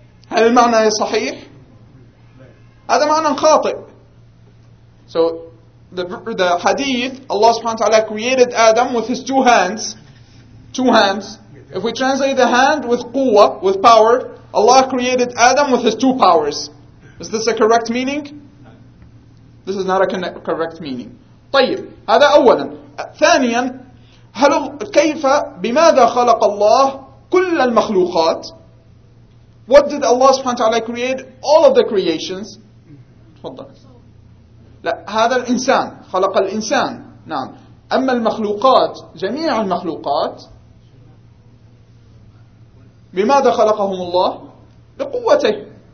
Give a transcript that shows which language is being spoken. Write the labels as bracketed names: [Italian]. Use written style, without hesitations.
[Arabic] هل المعنى صحيح؟ هذا معنى خاطئ. [English] So the hadith, Allah subhanahu wa ta'ala created Adam with his two hands. If we translate the hand with quwa, with power, Allah created Adam with his two powers. Is this a correct meaning? This is not a correct meaning. [Arabic] طيب هذا أولا. ثانيا هل كيف بماذا خلق الله كل المخلوقات؟ [English] What did Allah subhanahu wa ta'ala create all of the creations? [Arabic] تفضل. لا هذا الإنسان خلق الإنسان. نعم. أما المخلوقات جميع المخلوقات بماذا خلقهم الله؟ بقوته.